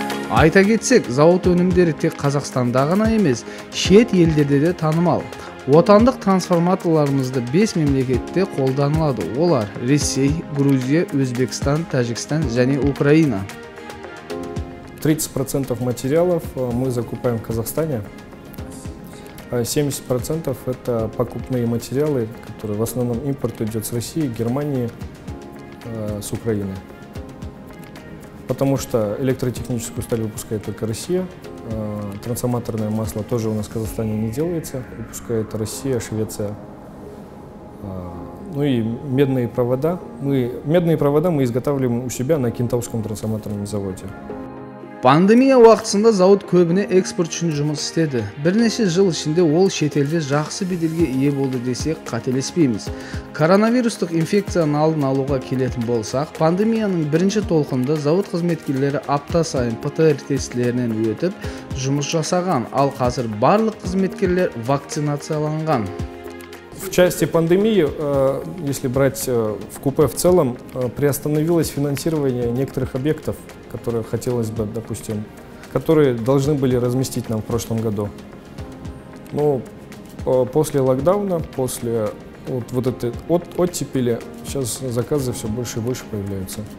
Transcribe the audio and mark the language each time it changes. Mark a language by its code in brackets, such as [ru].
[kk] Айта кетсек, зауыт өнімдері тек Қазақстанда ғана емес, шет елдерде де танымал. Отандық трансформаторларымызды 5 мемлекетте қолданылады. Олар Ресей, Грузия, Өзбекстан, Тәжікстан және Украина. [ru] 30% материалов мы закупаем в Казахстане. 70% это покупные материалы, которые в основном импорт идет с России, Германии, с Украины. Потому что электротехническую сталь выпускает только Россия. Трансформаторное масло тоже у нас в Казахстане не делается. Выпускает Россия, Швеция. Ну и медные провода. Медные провода мы изготавливаем у себя на Кентауском трансформаторном заводе. [kk] Пандемия уақытысында зауыт көбіне экспорт үшін жұмыс істеді. Бірнеше жыл ішінде ол шетелде жақсы беделге ие болды десек, қателеспейміз. Коронавирустық инфекцияны алдын алуға келетін болсақ, пандемияның бірінші толқында зауыт қызметкерлері апта сайын ПТР тестілерінен өтіп жұмыс жасаған, ал қазір барлық қызметкерлер вакцинацияланған. [ru] В части пандемии, если брать в купе в целом, приостановилось финансирование некоторых объектов, которые хотелось бы, допустим, которые должны были разместить нам в прошлом году. Но после локдауна, после оттепели, сейчас заказы все больше и больше появляются.